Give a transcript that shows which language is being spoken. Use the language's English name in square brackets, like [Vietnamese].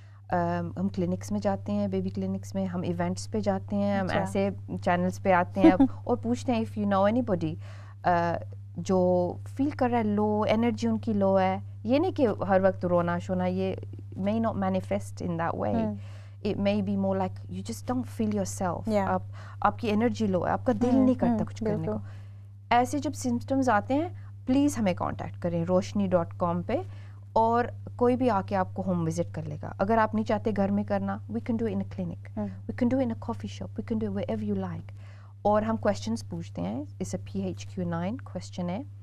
[Urdu] ہم کلینکس میں جاتے ہیں, بیبی کلینکس میں, ہم ایونٹس پہ جاتے ہیں, ہم ایسے چینلس پہ آتے ہیں اور پوچھتے ہیں [English] if you know anybody [Urdu] جو فیل کر رہا ہے لو انرجی, ان کی لو ہے. یہ نہیں کہ ہر وقت رونا شونا, یہ [English] May not manifest in that way. It may be more like you just don't feel yourself. [Urdu] آپ کی انرجی لو ہے, آپ کا دل نہیں کرتا کچھ کرنے کو. ایسے جب سمپٹمز آتے ہیں, پلیز ہمیں کانٹیکٹ کریں roshni.com پہ, اور کوئی بھی آ کے آپ کو ہوم وزٹ کر لے گا. اگر آپ نہیں چاہتے گھر میں کرنا, [English] We can do in a clinic, we can do in a coffee shop, we can do wherever you like. [Urdu] اور ہم کوشچنس پوچھتے ہیں, اٹس اے PHQ-9 کوشچن ہے,